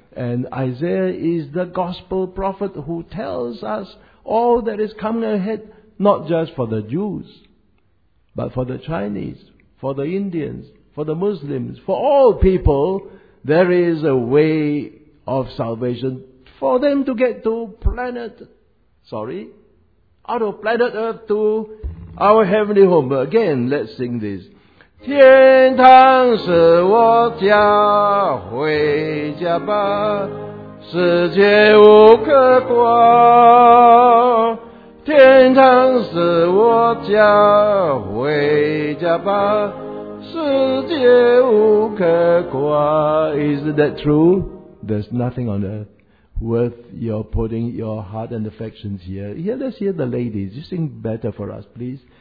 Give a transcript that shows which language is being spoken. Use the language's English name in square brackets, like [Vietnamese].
[English] And Isaiah is the gospel prophet who tells us all that is coming ahead, not just for the Jews, but for the Chinese, for the Indians, for the Muslims, for all people. There is a way of salvation for them to get to planet, out of planet Earth to our heavenly home. Again, let's sing this. [Chinese] 天堂是我家，回家吧，世界无可挂。天堂是我家，回家吧，世界无可挂。 [English] Isn't that true? There's nothing on earth worth your putting your heart and affections here. Here, let's hear the ladies. You sing better for us, please.